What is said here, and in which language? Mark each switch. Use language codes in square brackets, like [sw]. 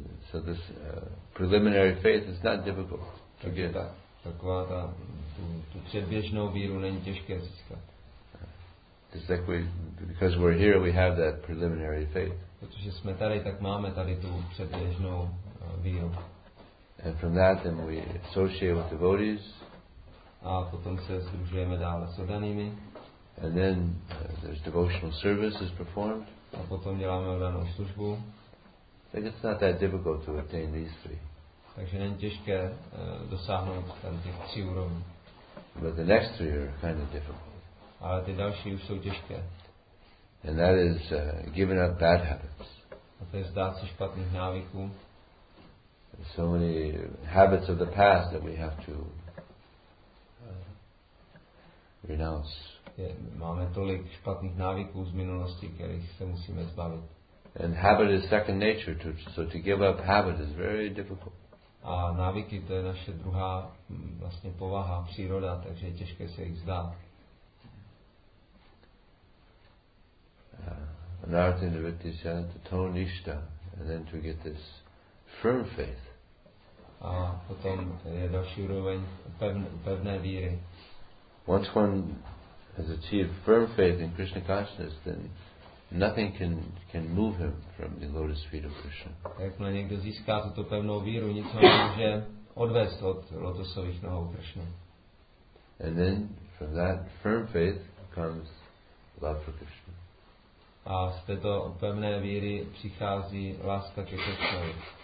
[en] So this preliminary faith is not difficult to get. [cs] Taková ta předběžnou víru není těžké získat. [en] Just like because we're here, we have that preliminary faith. [cs] Protože jsme tady, tak máme tady tu předběžnou víru. [en] And from that, then we associate with devotees. [cs] A potom se sdružujeme dále s oddanými. [en] And then there's devotional service is performed. [cs] A potom děláme oddanou službu. [en] Tak it's not that difficult to attain these three. [cs] Takže není těžké dosáhnout tam těch tří úrovní. [en] But the next three are kind of difficult. [cs] Ale ty další už jsou těžké. [en] And that is giving up bad habits. [cs] A to je vzdát se špatných návyků. [en] So many habits of the past that we have to renounce. [cs] Je, máme tolik špatných návyků z minulosti, kterých se musíme zbavit. [en] And habit is second nature, so to give up habit is very difficult. [cs] A návyky, to je naše druhá vlastně povaha, příroda, takže je těžké se jich vzdát. [en] Anartha Nivritti said to tone nishta, and then to get this firm faith. [cs] A potom je další úroveň pevné víry. [en] Once one has achieved firm faith in Krishna consciousness, then nothing can move him from the lotus feet of Krishna. [cs] Jakmile někdo získá tuto pevnou víru, nic ho nemůže odvést od lotosových nohou Krishna. [en] And then from that firm faith comes love for Krishna. [cs] A z této pevné víry přichází láska ke Krishnovi.